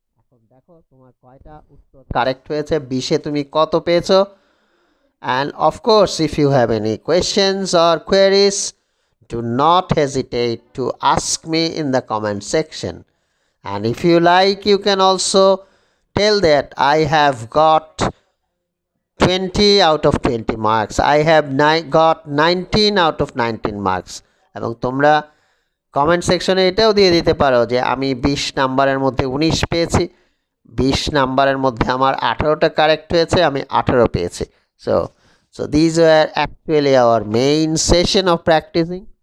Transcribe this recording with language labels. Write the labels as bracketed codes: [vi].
[bn] এখন দেখো তোমার কয়টা উত্তর কারেক্ট হয়েছে, বিশে তুমি কত পেয়েছো। [en] And of course if you have any questions or queries, do not hesitate to ask me in the comment section. And if you like, you can also tell that I have got 20 out of 20 marks. I have got 19 out of 19 marks. [bn] এবং তোমরা comment সেকশনে এটাও দিয়ে দিতে পারো যে আমি 20 নাম্বারের মধ্যে 19 পেয়েছি, 20 নাম্বারের মধ্যে আমার 18টা কারেক্ট হয়েছে, আমি 18 পেয়েছি। [en] So these were actually our main session of practicing.